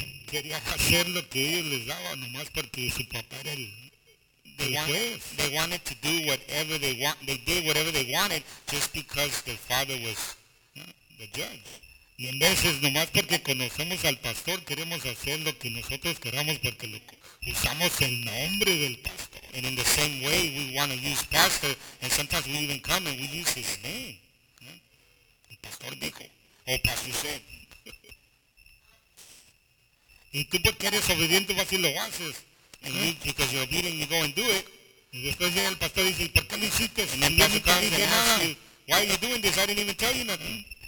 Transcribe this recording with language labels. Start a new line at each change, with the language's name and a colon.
Spanish: Quería hacer lo que ellos les daban, nomás porque su papá era el juez.
English: They wanted to do whatever they want. They did whatever they wanted just because their father was the judge.
Spanish: Y en veces, nomás porque conocemos al pastor, queremos hacer lo que nosotros queramos porque usamos el nombre del pastor.
English: And in the same way, we want to use pastor, and sometimes we even come and we use his name.
Spanish: El pastor dijo,
English: o pastor said.
Spanish: Y tú porque eres obediente vas y lo haces.
English: Because you're obedient, you go and do it.
Spanish: Y después llega el pastor y dice, ¿por qué lo hiciste?
English: And then you come and ask, why are you doing this? I didn't even tell you nothing.